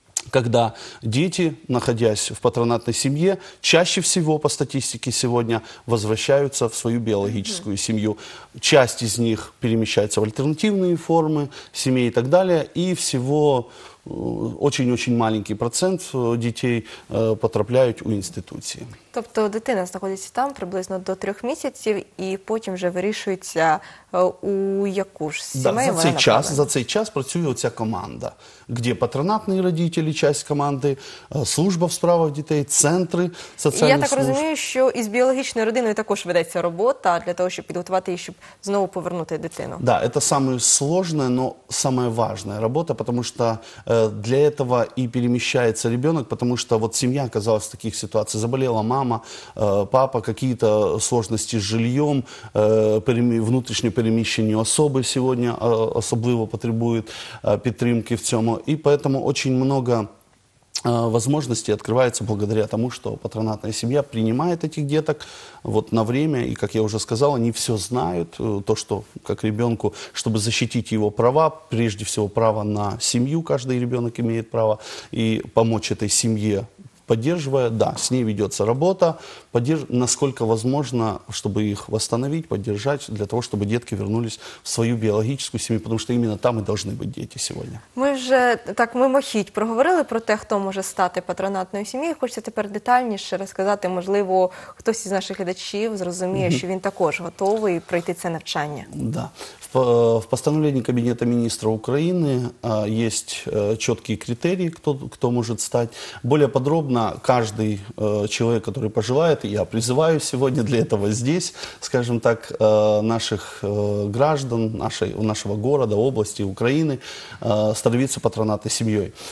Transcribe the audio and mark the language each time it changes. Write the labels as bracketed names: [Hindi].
[Russian] когда дети, находясь в патронатной семье, чаще всего, по статистике сегодня, возвращаются в свою биологическую семью. Часть из них перемещается в альтернативные формы семей и так далее, и всего очень-очень маленький процент [Ukrainian] дітей потрапляють у інституції. Тобто дитина знаходиться там приблизно до 3 місяців і потім вже вирішується у яку ж сімей, да, вона направлена. За цей час працює оця команда, де патронатні родителі, часть команди, служба в справах дітей, центри соціальних служб. Я так служб. Розумію, що із біологічною родиною також ведеться робота для того, щоб підготувати її, щоб знову повернути дитину. [Russian] Да, это самое сложное, но самое важное работа, потому что для этого и перемещается ребенок, потому что вот семья оказалась в таких ситуациях. Заболела мама, папа, какие-то сложности с жильем, внутреннее перемещение особы сегодня особливо потребует [Ukrainian] підтримки в цьому. [Russian] И поэтому очень много возможностей открывается благодаря тому, что патронатная семья принимает этих деток вот на время. И, как я уже сказал, они все знают, то, что как ребенку, чтобы защитить его права, прежде всего право на семью, каждый ребенок имеет право, и помочь этой семье, поддерживая, да, с ней ведется работа, насколько возможно, чтобы их восстановить, поддержать, для того, чтобы детки вернулись в свою биологическую семью, потому что именно там и должны быть дети сегодня. Мы уже так мимохідь проговорили про те, кто может стать патронатной семьей. Хочется теперь [Ukrainian] детальніше [Russian] рассказать, [Ukrainian] можливо, [Russian] кто-то из наших [Ukrainian] глядачів зрозуміє, що він також готовий пройти це навчання. [Russian] Да. В постановлении Кабинета министра Украины есть четкие критерии, кто может стать. Более подробно каждый человек, который пожелает, я призываю сегодня для этого здесь, скажем так, наших граждан, нашего города, области, Украины, становиться патронатной семьей.